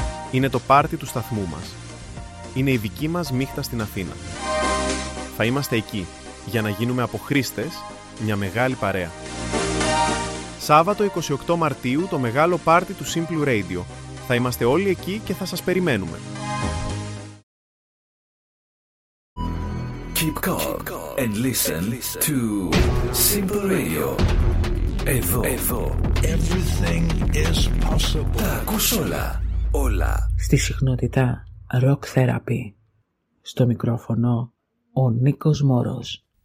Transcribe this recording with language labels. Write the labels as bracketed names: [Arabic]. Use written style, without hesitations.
[Greek] Είναι το πάρτι του σταθμού μας. Είναι η δική μας νύχτα στην Αθήνα. Θα είμαστε εκεί για να γίνουμε από χρήστες μια μεγάλη παρέα. Σάββατο 28 Μαρτίου, το μεγάλο πάρτι του Simple Radio. Θα είμαστε όλοι εκεί και θα σας περιμένουμε. [English] Keep calm and listen to Simple Radio. [Greek] Εδώ. [English] Everything is possible. [Greek] Τα ακούς όλα. Όλα. Στη συχνότητα Rock Therapy. Στο μικρόφωνο ο Νίκος Μόρος.